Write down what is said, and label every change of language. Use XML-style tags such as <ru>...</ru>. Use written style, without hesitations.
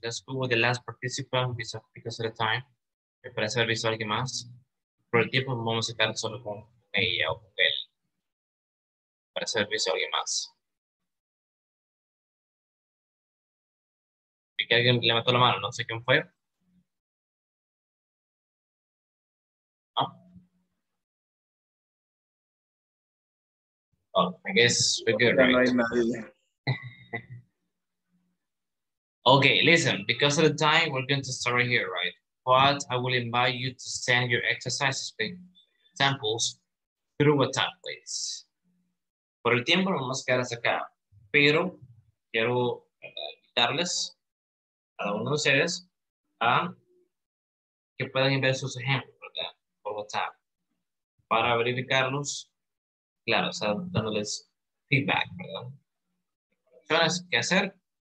<en>Let's go with the last participant because of the time.</en> <es>Me parece haber visto alguien más. Por el tiempo, vamos a estar solo con ella o con él. Me parece haber visto alguien más. Vi que alguien le mató la mano, no sé quién fue.</es> <en>Oh, I guess we're good, right? Okay, listen, because of the time, we're going to start right here, right? But I will invite you to send your exercises, samples, through WhatsApp, please.</en> <es>Por el tiempo, vamos a quedar hasta acá. Pero quiero invitarles a cada uno de ustedes a que puedan enviar sus ejemplos, ¿verdad? Por WhatsApp, para verificarlos. Claro, o sea, dándoles feedback, ¿verdad? Correcciones que hacer.</es>